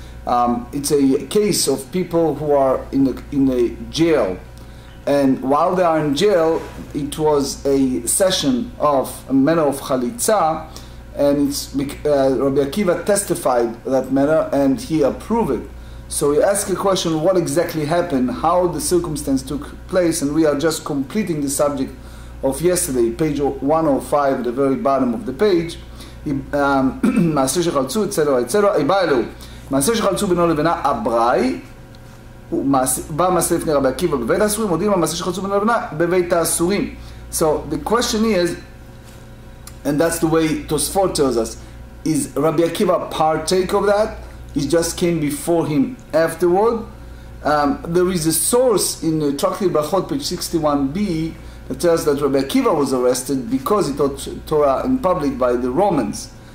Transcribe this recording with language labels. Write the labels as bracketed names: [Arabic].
[English] It's a case of people who are in a jail, and while they are in jail, it was a session of a matter of Chalitza, and it's Rabbi Akiva testified that matter and he approved it. So we ask a question: what exactly happened, how the circumstance took place? And we are just completing the subject of yesterday, page 105, the very bottom of the page. Maaseh Shechaltzu, etc. Ibailu. [Hebrew] מעשה שחלצו בינו לבינה אבראי, בא מעשה לפני רבי עקיבא בבית האסורים, מודיעים המעשה שחלצו בינו לבינה בבית האסורים. [English] So the question is, and that's the way Tosfot tells us, is רבי עקיבא partake of that? It just came before him afterward. There is a source in Tractate Brachot, page 61b, that tells that רבי עקיבא was arrested because he taught Torah in public by the Romans.